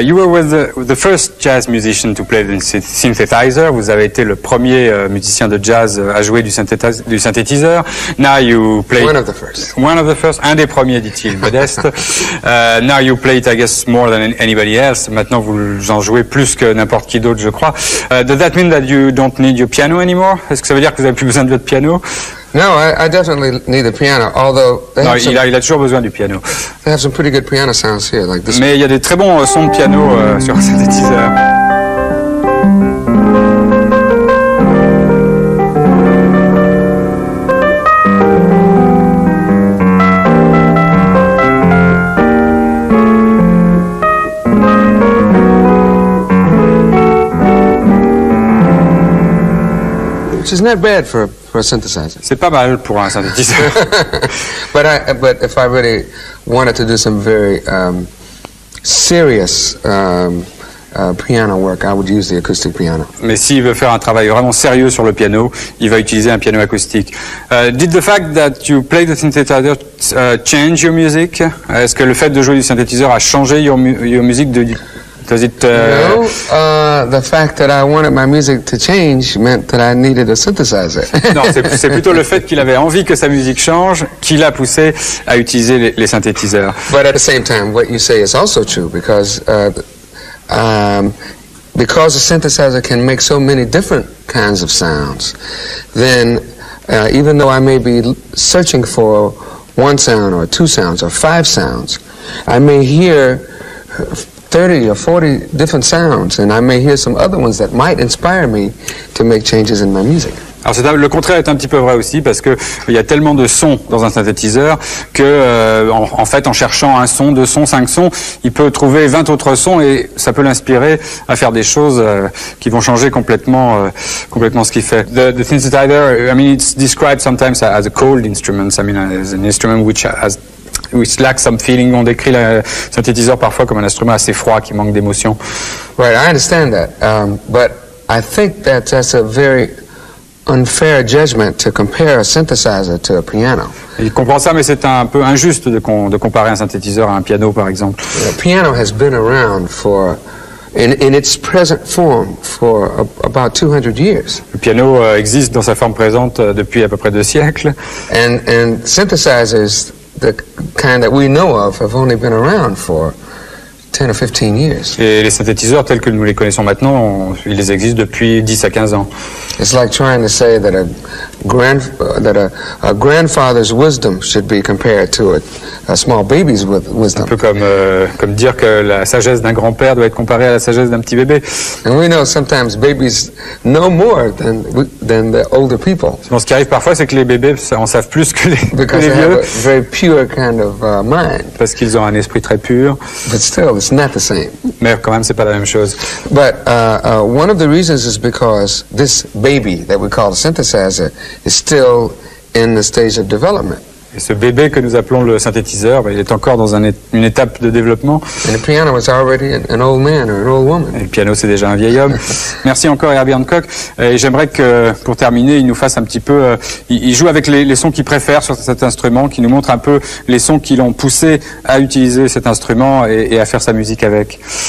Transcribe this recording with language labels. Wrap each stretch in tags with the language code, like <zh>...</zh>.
<en>You were with the first jazz musician to play the synthesizer.</en> <fr>Vous avez été le premier musicien de jazz à jouer du synthétiseur.</fr> <en>Now you play... One of the first. One of the first.</en> <fr>Un des premiers, dit-il, modeste.</fr> <en>Now you play it, I guess, more than anybody else.</en> <fr>Maintenant, vous en jouez plus que n'importe qui d'autre, je crois.</fr> <en>Does that mean that you don't need your piano anymore?</en> <fr>Est-ce que ça veut dire que vous n'avez plus besoin de votre piano?</fr> <en>No, I definitely need the piano, although... They have</en> <fr>il a toujours besoin du piano.</fr> <en>They have some pretty good piano sounds here, like this.</en> <fr>Mais il y a des très bons sons de piano sur synthétiseur.</fr> <en>It's not bad for... For a synthesizer.</en> <fr>C'est pas mal pour un synthétiseur.</fr> <en>but if I really wanted to do some very serious piano work, I would use the acoustic piano.</en> <fr>Mais s'il veut faire un travail vraiment sérieux sur le piano, il va utiliser un piano acoustique.</fr> <en>Did the fact that you played the synthesizer change your music?</en> <fr>Est-ce que le fait de jouer du synthétiseur a changé</fr> <en>your music? Does it, No, the fact that I wanted my music to change meant that I needed a synthesizer.</en> <fr>Non, c'est plutôt le fait qu'il avait envie que sa musique change qui l'a poussé à utiliser les synthétiseurs.</fr> <en>But at the same time, what you say is also true because a synthesizer can make so many different kinds of sounds, then even though I may be searching for one sound or two sounds or five sounds, I may hear 30 or 40 different sounds, and I may hear some other ones that might inspire me to make changes in my music.</en> <fr>Alors c'est, le contraire est un petit peu vrai aussi, parce que il y a tellement de sons dans un synthétiseur que, en fait, en cherchant un son, deux sons, cinq sons, il peut trouver 20 autres sons et ça peut l'inspirer à faire des choses qui vont changer complètement, complètement ce qu'il fait.</fr> <en>The synthesizer, I mean, it's described sometimes as a cold instrument. I mean, as an instrument which has which lacks some feeling.</en> <fr>On décrit le synthétiseur parfois comme un instrument assez froid qui manque d'émotion.</fr> <en>Right, I understand that, but I think that that's a very unfair judgment to compare a synthesizer to a piano.</en> <fr>Il comprend ça, mais c'est un peu injuste de comparer un synthétiseur à un piano, par exemple.</fr> <en>The piano has been around for in its present form for about 200 years.</en> <fr>Le piano existe dans sa forme présente depuis à peu près deux siècles.</fr> <en>And synthesizers, the kind that we know of, have only been around for 10 or 15 years.</en> <fr>Et les synthétiseurs tels que nous les connaissons maintenant, ils existent depuis 10 à 15 ans.</fr> <en>It's like trying to say that a grandfather's wisdom should be compared to a small baby's wisdom.</en> <fr>Un peu comme comme dire que la sagesse d'un grand-père doit être comparée à la sagesse d'un petit bébé.</fr> <en>And we know sometimes babies know more than the older people.</en> <fr>Bon, ce qui arrive parfois, c'est que les bébés en savent plus que les vieux.</fr> <en>Because they have a very pure kind of mind.</en> <fr>Parce qu'ils ont un esprit très pur.</fr> <en>But still, it's not the same.</en> <fr>Mais quand même, c'est pas la même chose.</fr> <en>But one of the reasons is because this baby that we call a synthesizer is still in the stage of development.</en> <fr>Et ce bébé que nous appelons le synthétiseur, il est encore dans une étape de développement.</fr> <en>And the piano was already an old man or an old woman.</en> <fr>Et le piano, c'est déjà un vieil homme. Merci encore, Herbie Hancock. Et j'aimerais que, pour terminer, il nous fasse un petit peu... il joue avec les sons qu'il préfère sur cet instrument, qui nous montre un peu les sons qui l'ont poussé à utiliser cet instrument et à faire sa musique avec.</fr>